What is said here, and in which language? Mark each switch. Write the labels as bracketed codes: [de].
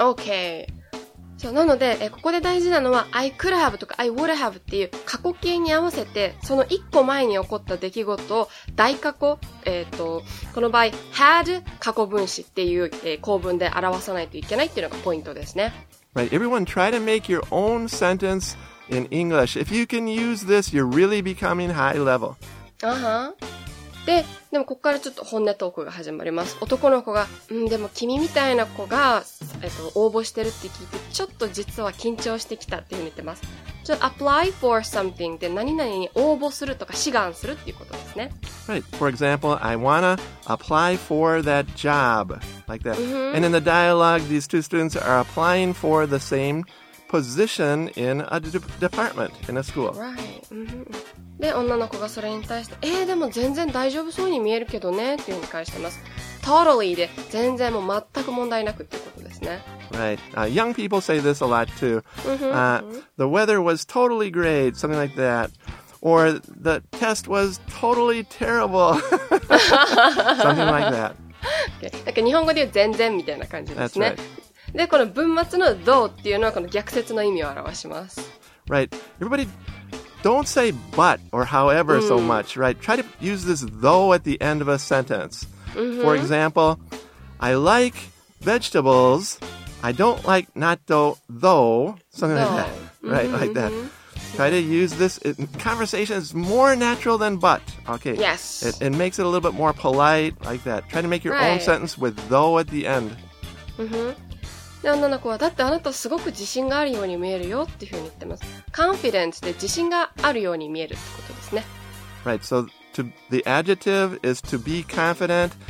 [ja] Okay. So, なので、ここで大事なのは I could have とか I would have っていう過去形に合わせてその一個前に起こった出来事を大過去、この場合 had 過去分詞っていう、構文で表さないといけないっていうのがポイントですね。 [en] Right. Everyone, try to make your own sentence in English. If you can use this, you're really becoming high level. Uh-huh. [ja] でもここからちょっと本音トークが始まります。男の子が、うん、でも君みたいな子が、応募してるって聞いて、ちょっと実は緊張してきたって言ってます。 To apply for something って何々に応募するとか志願するっていうことですね。 [en] Right. For example, I wanna apply for that job. Like that.、Mm-hmm. And in the dialogue, these two students are applying for the same position in a department, in a school. Right. [ja] Mm-hmm. で、女の子がそれに対して、でも全然大丈夫そうに見えるけどねっていうふうに返してます。 Totally で全然もう全く問題なくっていうことですね。 [en] Right. Young people say this a lot too. The weather was totally great, something like that. Or the test was totally terrible. Something like that. Okay. [ja] なんか日本語で言う全然みたいな感じですね。 [en] That's right. [ja] で、この文末の though っていうのはこの逆説の意味を表します。 [en] Right. Everybody, don't say but or however so much, right? Try to use this though at the end of a sentence. For example, I like vegetables. I don't like natto though. Something like that. Right, like that. Try to use this. Conversation is more natural than but. Okay. Yes. It makes it a little bit more polite, like that. Try to make your own sentence with though at the end. [ja] で、女の子は、だってあなたすごく自信があるように見えるよっていうふうに言ってます。 Confidence で自信があるように見えるってことですね。 [en] Right, so the adjective is to be confident.